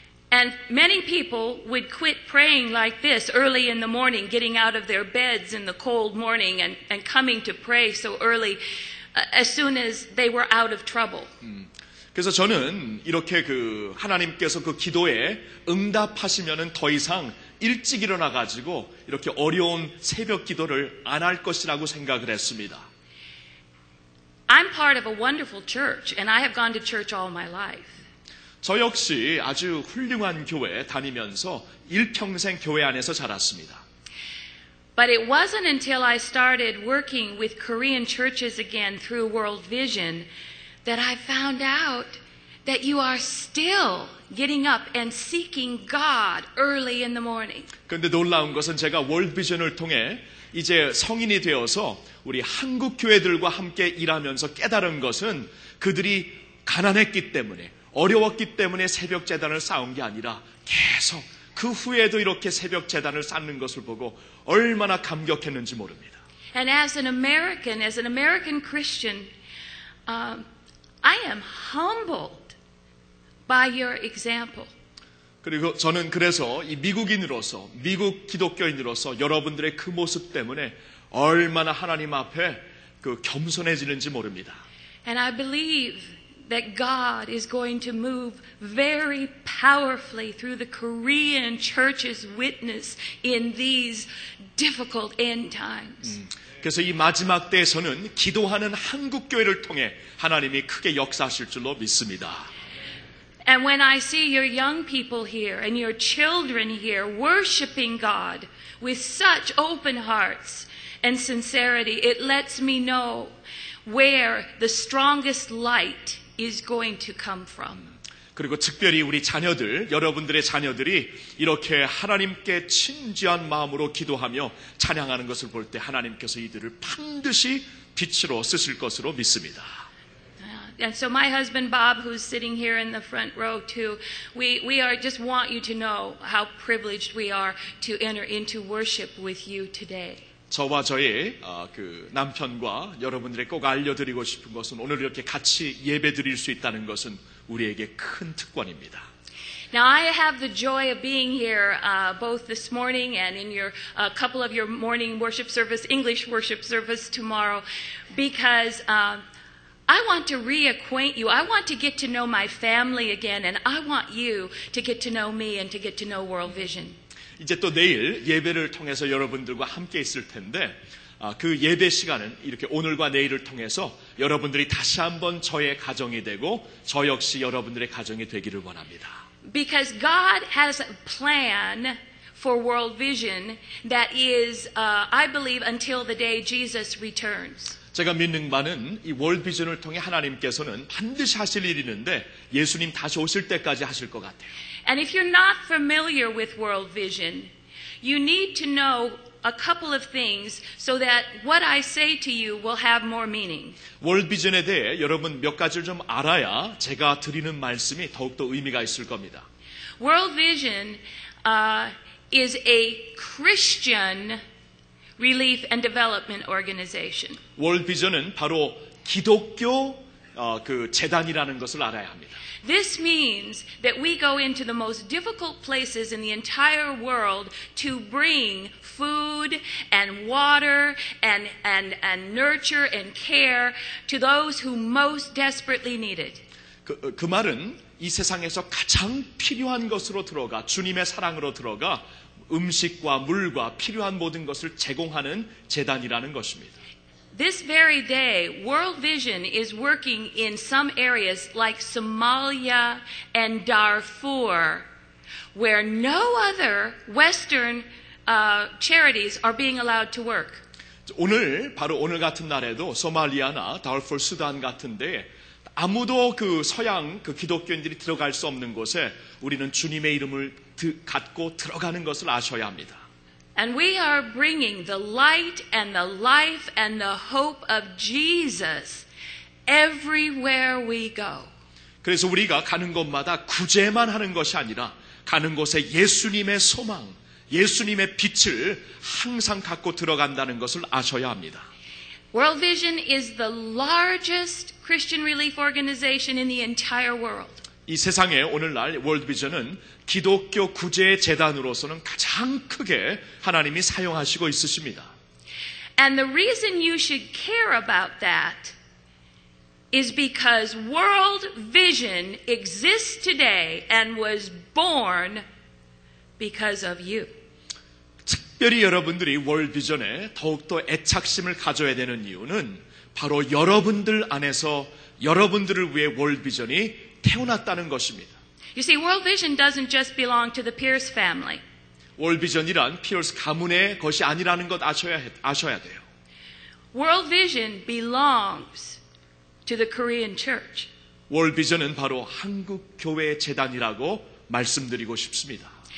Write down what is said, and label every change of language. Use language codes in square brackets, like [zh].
[en] And many people would quit praying like this early in the morning, getting out of their beds in the cold morning and coming to pray so early as soon as they were out of trouble. [ko] 그래서 저는 이렇게 그 하나님께서 그 기도에 응답하시면은 더 이상 일찍 일어나 가지고 이렇게 어려운 새벽 기도를 안 할 것이라고 생각을 했습니다. [en] I'm part of a wonderful church and I have gone to church all my life. [ko] 저 역시 아주 훌륭한 교회에 다니면서 일평생 교회 안에서 자랐습니다. [en] But it wasn't until I started working with Korean churches again through World Vision that I found out that you are still getting up and seeking God early in the morning. [ko] 근데 놀라운 것은 제가 World Vision을 통해 이제 성인이 되어서 우리 한국 교회들과 함께 일하면서 깨달은 것은 그들이 가난했기 때문에 어려웠기 때문에 새벽 제단을 쌓은 게 아니라 계속 그 후에도 이렇게 새벽 제단을 쌓는 것을 보고 얼마나 감격했는지 모릅니다. [en] And as an American Christian, I am humbled by your example. [ko] 그리고 저는 그래서 이 미국인으로서 미국 기독교인으로서 여러분들의 그 모습 때문에 얼마나 하나님 앞에 그 겸손해지는지 모릅니다. [en] And I believe that God is going to move very powerfully through the Korean church's witness in these difficult end times. [ko] 그래서 이 마지막 때에서는 기도하는 한국 교회를 통해 하나님이 크게 역사하실 줄로 믿습니다. [en] And when I see your young people here and your children here worshiping God with such open hearts and sincerity, it lets me know where the strongest light is going to come from. [ko] 그리고 특별히 우리 자녀들, 여러분들의 자녀들이 이렇게 하나님께 진지한 마음으로 기도하며 찬양하는 것을 볼 때 하나님께서 이들을 반드시 빛으로 쓰실 것으로 믿습니다. [en] And so my husband Bob, who's sitting here in the front row too, we just want you to know how privileged we are to enter into worship with you today. [ko] 저와 저의 그 남편과 여러분들에게 꼭 알려드리고 싶은 것은 오늘 이렇게 같이 예배드릴 수 있다는 것은 우리에게 큰 특권입니다. [en] Now I have the joy of being here both this morning and in your couple of your morning worship service, English worship service tomorrow because I want to reacquaint you. I want to get to know my family again and I want you to get to know me and to get to know World Vision. [ko] 이제 또 내일 예배를 통해서 여러분들과 함께 있을 텐데 그 예배 시간은 이렇게 오늘과 내일을 통해서 여러분들이 다시 한번 저의 가정이 되고 저 역시 여러분들의 가정이 되기를 원합니다. [en] Because God has a plan for world vision that is, I believe, until the day Jesus returns. [ko] 제가 믿는 바는 이 월드 비전을 통해 하나님께서는 반드시 하실 일이 있는데 예수님 다시 오실 때까지 하실 것 같아요. [en] And if you're not familiar with world vision, you need to know a couple of things so that what I say to you will have more meaning. [ko] 월드 비전에 대해 여러분 몇 가지를 좀 알아야 제가 드리는 말씀이 더욱더 의미가 있을 겁니다. [en] World vision is a Christian relief and development organization. [ko] World Vision은 바로 기독교 그 재단이라는 것을 알아야 합니다. [en] This means that we go into the most difficult places in the entire world to bring food and water and nurture and care to those who most desperately need it. [ko] 그 말은 이 세상에서 가장 필요한 것으로 들어가 주님의 사랑으로 들어가 음식과 물과 필요한 모든 것을 제공하는 재단이라는 것입니다. [en] This very day, World Vision is working in some areas like Somalia and Darfur, where no other Western charities are being allowed to work. [ko] 오늘 바로 오늘 같은 날에도 소말리아나 다르푸르 수단 같은데 아무도 그 서양 그 기독교인들이 들어갈 수 없는 곳에 우리는 주님의 이름을 갖고 들어가는 것을 아셔야 합니다. [en] And we are bringing the light and the life and the hope of Jesus everywhere we go. [ko] 그래서 우리가 가는 곳마다 구제만 하는 것이 아니라 가는 곳에 예수님의 소망, 예수님의 빛을 항상 갖고 들어간다는 것을 아셔야 합니다. [en] World Vision is the largest Christian relief organization in the entire world. [ko] 이 세상에 오늘날 월드 비전은 기독교 구제 재단으로서는 가장 크게 하나님이 사용하시고 있으십니다. [en] And the reason you should care about that is because World Vision exists today and was born because of you. [ko] 특별히 여러분들이 월드 비전에 더욱더 애착심을 가져야 되는 이유는 바로 여러분들 안에서 여러분들을 위해 월드 비전이 태어났다는 것입니다. [en] You see, World Vision doesn't just belong to the Pierce family. [ko] 월드 비전이란 피어스 가문의 것이 아니라는 것 아셔야 돼요. [en] World Vision belongs to the Korean church. [ko] 월드 비전은 바로 한국 교회 재단이라고 말씀드리고 싶습니다.